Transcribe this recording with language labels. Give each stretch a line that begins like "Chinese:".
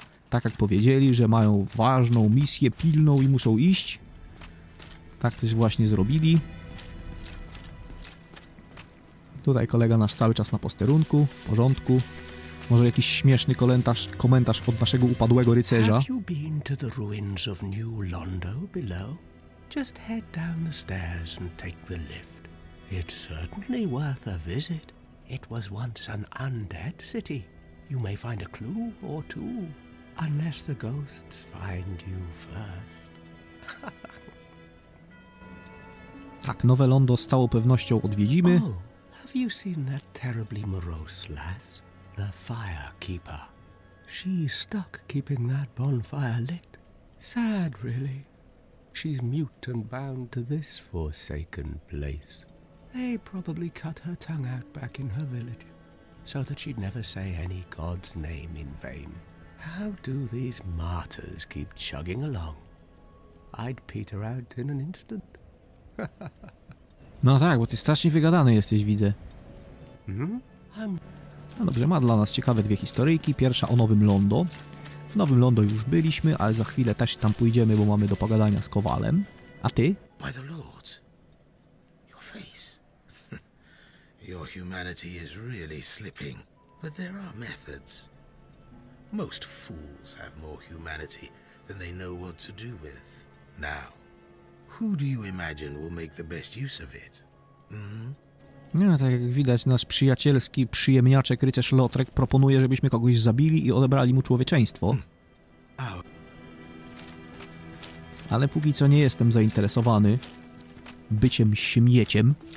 Polish: Tak jak powiedzieli, że mają ważną misję pilną i muszą iść. Tak też właśnie zrobili. Tutaj kolega nasz cały czas na posterunku, w porządku. Może jakiś śmieszny komentarz od naszego upadłego rycerza.
English: Have you been to the ruins of New Londo below? Just head down the stairs and take the lift. It's certainly worth a visit. It was once an undead city. You may find a clue or two, unless the ghosts find you first.
Polish: Tak, nowe Londo z całą pewnością odwiedzimy. Oh.
English: Have you seen that terribly morose lass, the firekeeper? She's stuck keeping that bonfire lit. Sad, really. She's mute and bound to this forsaken place. They probably cut her tongue out back in her village, so that she'd never say any god's name in vain. How do these martyrs keep chugging along? I'd peter out in an instant.
Polish: No tak, bo ty strasznie wygadany jesteś, widzę. No dobrze, ma dla nas ciekawe dwie historyjki. Pierwsza o Nowym Londo. W Nowym Londo już byliśmy, ale za chwilę też tam pójdziemy, bo mamy do pogadania z kowalem. A ty?
English: By the Lord, your face. Your humanity is really slipping, but there are methods. Most fools have more humanity than they know what to do with. Now. Who do you imagine will make the best use of it?
Polish: No, tak jak widać, nasz przyjacielski przyjemniaczek rycerz Lotrek proponuje, żebyśmy kogoś zabili i odebrali mu człowieczeństwo. Ale póki co nie jestem zainteresowany byciem śmieciem.